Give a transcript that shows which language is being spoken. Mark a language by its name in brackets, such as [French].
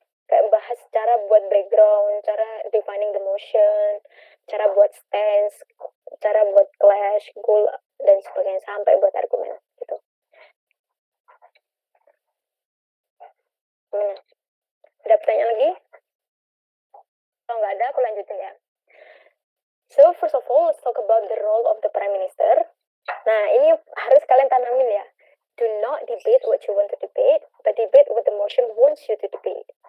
[Indonesian] Kayak bahas cara buat background, cara [English] defining the motion, [Indonesian] cara buat stance, cara buat clash, goal, dan sebagainya, sampai buat argumen, gitu. Ada pertanyaan lagi? Kalau nggak ada, aku lanjutin ya. [English] So, first of all, let's talk about the role of the Prime Minister. [Indonesian] Nah, ini harus kalian tanamin ya. [English] Do not debate what you want to debate, but debate what the motion wants you to debate.